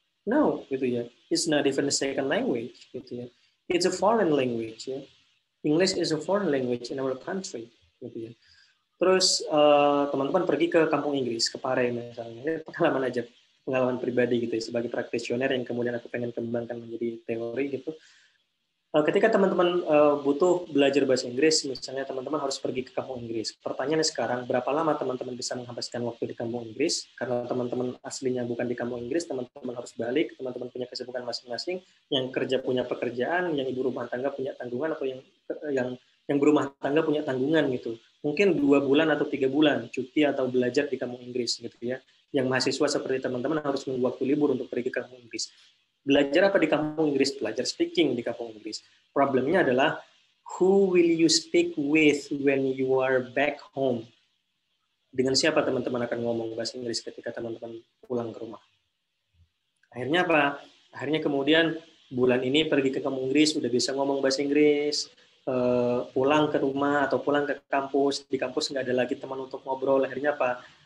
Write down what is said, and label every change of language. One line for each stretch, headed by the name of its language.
English: No gitu ya, it's not even a second language gitu ya, it's a foreign language ya, English is a foreign language in our country gitu ya.
Indonesian: Terus teman-teman pergi ke kampung Inggris, ke Pare misalnya, pengalaman aja, pengalaman pribadi gitu ya, sebagai praktisioner yang kemudian aku pengen kembangkan menjadi teori gitu. Ketika teman-teman butuh belajar bahasa Inggris, misalnya teman-teman harus pergi ke kampung Inggris. Pertanyaannya sekarang, berapa lama teman-teman bisa menghabiskan waktu di kampung Inggris? Karena teman-teman aslinya bukan di kampung Inggris, teman-teman harus balik, teman-teman punya kesibukan masing-masing, yang kerja punya pekerjaan, yang ibu rumah tangga punya tanggungan, atau yang berumah tangga punya tanggungan gitu. Mungkin 2 bulan atau 3 bulan cuti atau belajar di kampung Inggris gitu ya. Yang mahasiswa seperti teman-teman harus menunggu waktu libur untuk pergi ke kampung Inggris. Belajar apa di kampung Inggris? Belajar speaking di kampung Inggris. Problemnya adalah,
English: who will you speak with when you are back home?
Indonesian: Dengan siapa teman-teman akan ngomong bahasa Inggris ketika teman-teman pulang ke rumah? Akhirnya apa? Akhirnya kemudian bulan ini pergi ke kampung Inggris, udah bisa ngomong bahasa Inggris, pulang ke rumah atau pulang ke kampus, di kampus nggak ada lagi teman untuk ngobrol, akhirnya apa?